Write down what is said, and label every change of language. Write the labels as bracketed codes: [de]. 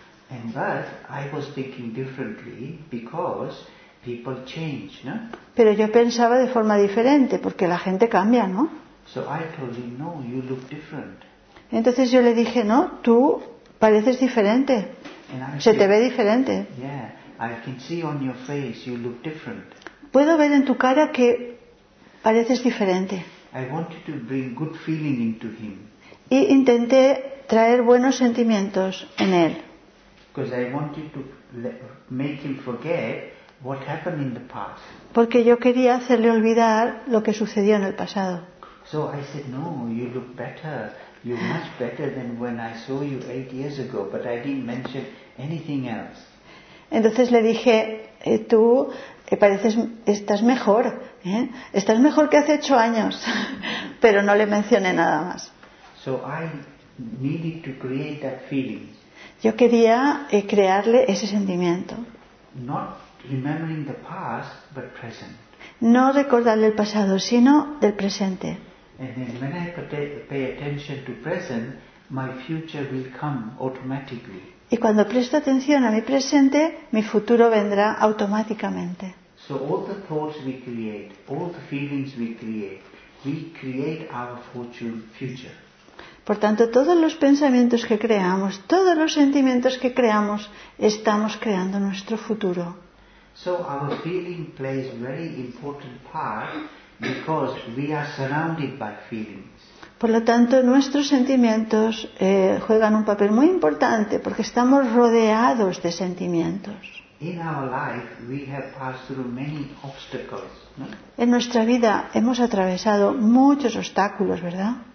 [en] And but I was thinking differently because people change, no? [es] Pero yo pensaba de forma diferente porque la gente cambia, ¿no? [en] So I told him, no, you look different. [es] Entonces yo le dije, no, tú pareces diferente, se te ve diferente. [en] Yeah, I can see on your face you look different. [es] Puedo ver en tu cara que pareces diferente. [en] I wanted to bring good feeling into him. [es] Y intenté traer buenos sentimientos en él. [en] Because I wanted to make him forget what happened in the past. [es] Porque yo quería hacerle olvidar lo que sucedió en el pasado. [en] So I said, no, you look better. You're much better than when I saw you 8 years ago, but I didn't mention anything else. [es] Entonces le dije, tú pareces, estás mejor, ¿eh? Estás mejor que hace 8 años, pero no le mencioné nada más. [en] So I needed to create that feeling. [es] Yo quería crearle ese sentimiento. [en] Not remembering the past, but present. [es] No recordarle el pasado, sino del presente. [en] And then when I pay attention to present, my future will come automatically. [es] Y cuando presto atención a mi presente, mi futuro vendrá automáticamente. [en] So all the thoughts we create, all the feelings we create our future. [es] Por tanto, todos los pensamientos que creamos, todos los sentimientos que creamos, estamos creando nuestro futuro. [en] So our feeling plays a very important part. Because we are surrounded by feelings. [es] Por lo tanto, nuestros sentimientos juegan un papel muy importante porque estamos rodeados de sentimientos. [en] In our life, we have passed through many obstacles, no? [es] En nuestra vida hemos atravesado muchos obstáculos, ¿verdad?